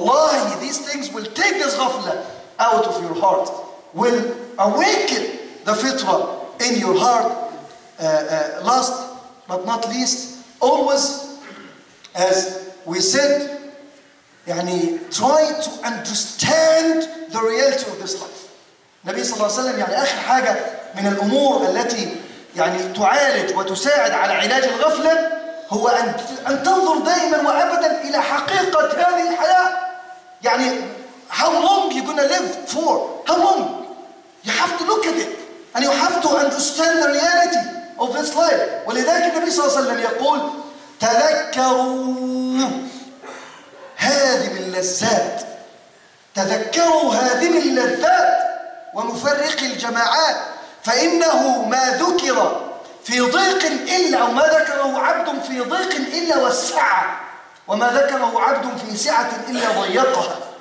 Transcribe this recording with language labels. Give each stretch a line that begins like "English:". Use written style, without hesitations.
English: والله, these things will take this ghafla out of your heart, will awaken the fitra in your heart. Last but not least, always, as we said, يعني, try to understand the reality of this life.
Arabic: النبي صلى الله عليه وسلم يعني آخر حاجة من الأمور التي يعني تعالج وتساعد على علاج الغفلة هو أن تنظر دائما وأبدا إلى حقيقة هذه الحياة.
English: يعني how long you gonna live for? How long? You have to look at it and you have to understand the reality of this life.
Arabic: ولذلك النبي صلى الله عليه وسلم يقول تذكروا هذه اللذات, تذكروا هذه اللذات ومفرق الجماعات, فإنه ما ذكر في ضيق إلا وما ذكره عبد في ضيق إلا والسعة, وما ذكره عبد في سعة إلا ضيقها.